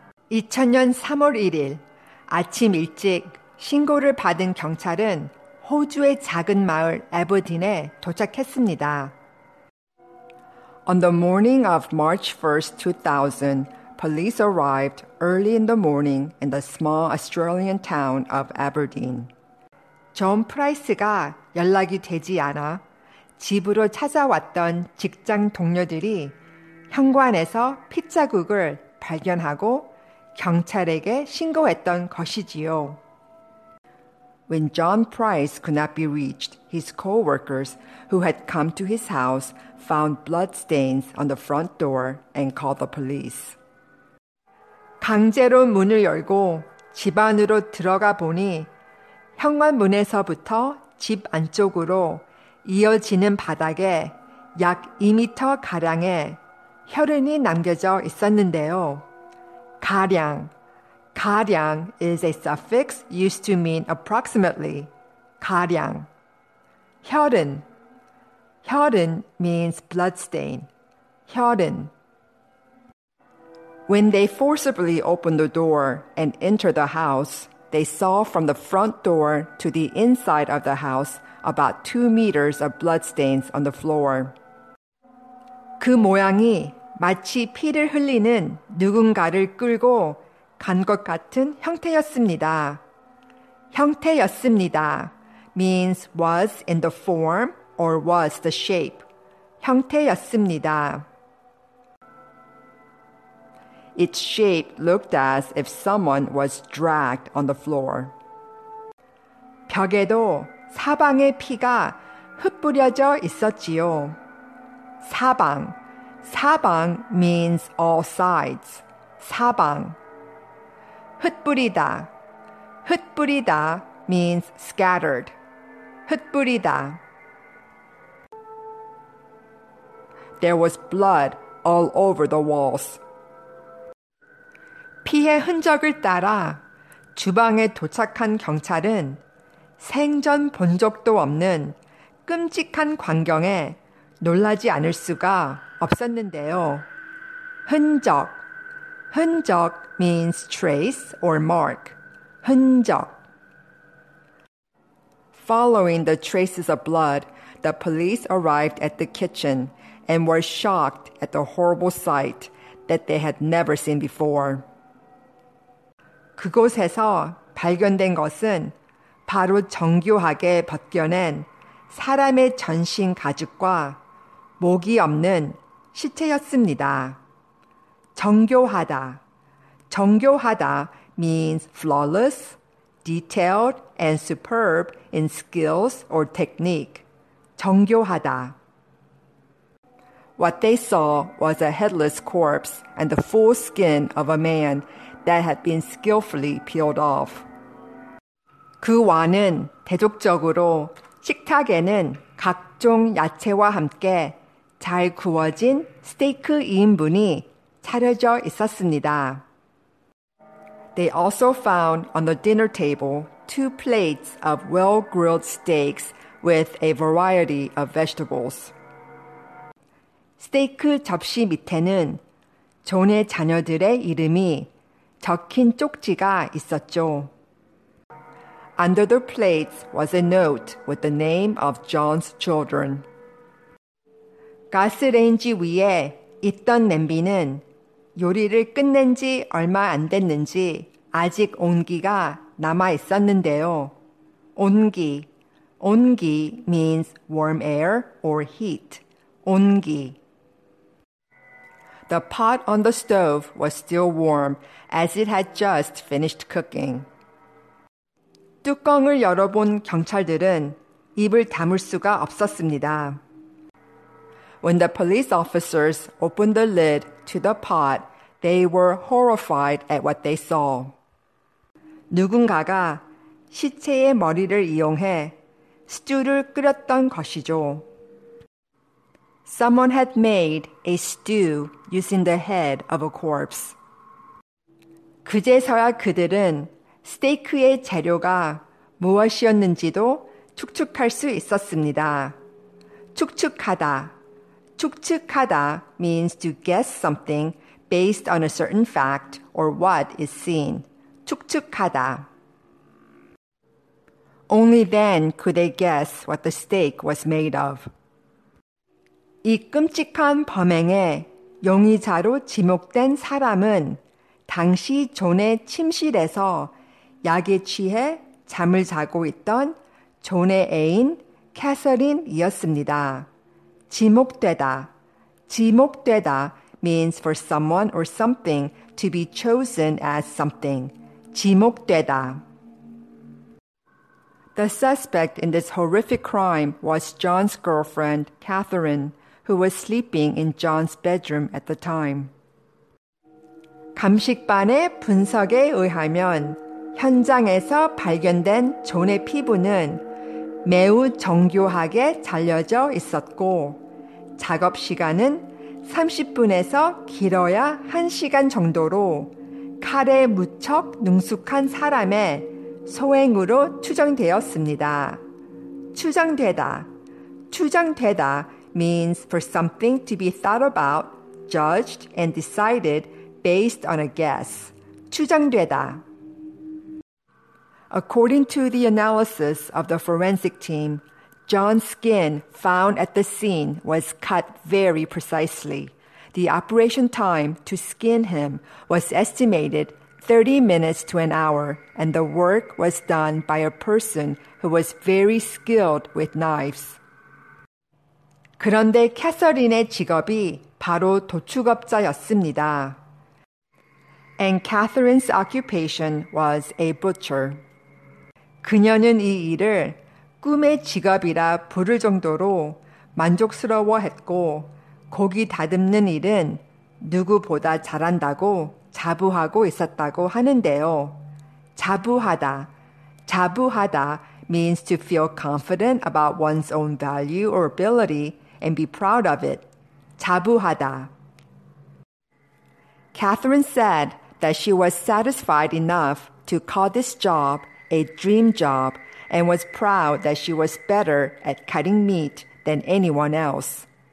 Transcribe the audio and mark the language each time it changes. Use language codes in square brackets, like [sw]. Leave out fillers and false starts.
[ko] 2000년 3월 1일 아침 일찍 신고를 받은 경찰은 호주의 작은 마을 에버딘에 도착했습니다. [en] On the morning of March 1st, 2000, police arrived early in the morning in the small Australian town of Aberdeen. [ko] 존 프라이스가 연락이 되지 않아 집으로 찾아왔던 직장 동료들이 현관에서 핏자국을 발견하고 경찰에게 신고했던 것이지요. [en] When John Price could not be reached, his co-workers who had come to his house found bloodstains on the front door and called the police. [ko] 강제로 문을 열고 집 안으로 들어가 보니 현관문에서부터 집 안쪽으로 이어지는 바닥에 약 2m 가량의 혈흔이 남겨져 있었는데요. 가량. [en] 가량 is a suffix used to mean approximately. [ko] 가량. 혈흔. [en] 혈흔 means bloodstain. [ko] 혈흔. [en] When they forcibly opened the door and entered the house, they saw from the front door to the inside of the house about 2 meters of bloodstains on the floor. [ko] 그 모양이 마치 피를 흘리는 누군가를 끌고 간 것 같은 형태였습니다. [en] 형태였습니다 means was in the form or was the shape. [ko] 형태였습니다. [en] Its shape looked as if someone was dragged on the floor. [ko] 벽에도 사방에 피가 흩뿌려져 있었지요. 사방. [en] 사방 means all sides. [ko] 사방. 흩뿌리다. [en] 흩뿌리다 means scattered. [ko] 흩뿌리다. [en] There was blood all over the walls. [ko] 피의 흔적을 따라 주방에 도착한 경찰은 생전 본 적도 없는 끔찍한 광경에 놀라지 않을 수가 없었는데요. 흔적. [en] 흔적 means trace or mark. [ko] 흔적. [en] Following the traces of blood, the police arrived at the kitchen and were shocked at the horrible sight that they had never seen before. [ko] 그곳에서 발견된 것은 바로 정교하게 벗겨낸 사람의 전신 가죽과 목이 없는 시체였습니다. 정교하다. [en] 정교하다 means flawless, detailed, and superb in skills or technique. [ko] 정교하다. [en] What they saw was a headless corpse and the full skin of a man that had been skillfully peeled off. [ko] 그 와는 대조적으로 식탁에는 각종 야채와 함께 잘 구워진 스테이크 2인분이 차려져 있었습니다. [en] They also found on the dinner table 2 plates of well-grilled steaks with a variety of vegetables. [ko] 스테이크 접시 밑에는 존의 자녀들의 이름이 적힌 쪽지가 있었죠. [en] Under the plates was a note with the name of John's children. [ko] 가스레인지 위에 있던 냄비는 요리를 끝낸 지 얼마 안 됐는지 아직 온기가 남아 있었는데요. [en] 온기. 온기 means warm air or heat. 온기. The pot on the stove was still warm as it had just finished cooking. [ko] 뚜껑을 열어본 경찰들은 입을 다물 수가 없었습니다. [en] When the police officers opened the lid to the pot, they were horrified at what they saw. [ko] 누군가가 시체의 머리를 이용해 스튜를 끓였던 것이죠. [en] Someone had made a stew using the head of a corpse. [ko] 그제서야 그들은 스테이크의 재료가 무엇이었는지도 추측할 수 있었습니다. 추측하다. 추측하다 [en] means to guess something based on a certain fact or what is seen. [ko] 추측하다. [en] Only then could they guess what the steak was made of. [ko] 이 끔찍한 범행에 용의자로 지목된 사람은 당시 존의 침실에서 약에 취해 잠을 자고 있던 존의 애인 캐서린이었습니다. 지목되다. 지목되다 [en] means for someone or something to be chosen as something. [ko] 지목되다. [en] The suspect in this horrific crime was John's girlfriend, Catherine, who was sleeping in John's bedroom at the time. [ko] 감식반의 분석에 의하면 현장에서 발견된 존의 피부는 매우 정교하게 잘려져 있었고 작업 시간은 30분에서 길어야 1시간 정도로 칼에 무척 능숙한 사람의 소행으로 추정되었습니다. 추정되다. 추정되다 [en] means for something to be thought about, judged, and decided based on a guess. [ko] 추정되다. [en] According to the analysis of the forensic team, John's skin found at the scene was cut very precisely. The operation time to skin him was estimated 30 minutes to an hour, and the work was done by a person who was very skilled with knives. [ko] 그런데 캐서린의 직업이 바로 도축업자였습니다. [en] And Catherine's occupation was a butcher. [ko] 그녀는 이 일을 꿈의 직업이라 부를 정도로 만족스러워했고 고기 다듬는 일은 누구보다 잘한다고 자부하고 있었다고 하는데요. 자부하다. 자부하다 [en] means to feel confident about one's own value or ability and be proud of it. [ko] 자부하다. [en] Catherine said that she was satisfied enough to call this job a dream job and was proud that she was better at cutting meat than anyone else.